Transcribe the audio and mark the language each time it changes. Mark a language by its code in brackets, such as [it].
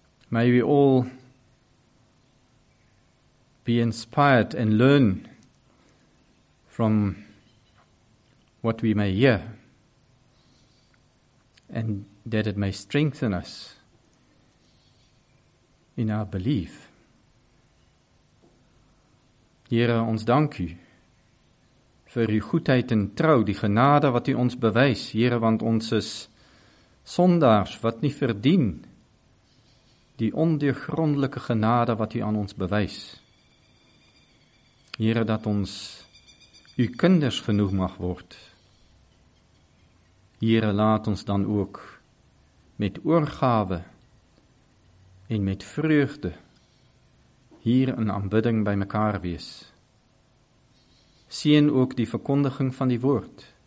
[en] May we all be inspired and learn from what we may hear, and that it may strengthen us in our belief. [af] Here, ons dank u vir uw goedheid en trouw, die genade wat u ons bewys, Here, want ons is sondaars wat nie verdien die ondeurgrondelike genade wat u aan ons bewys. Here, dat ons uw kinders genoeg mag word. Here, laat ons dan ook met oorgawe en met vreugde hier in aanbidding by mekaar wees. Seën ook die verkondiging van die woord.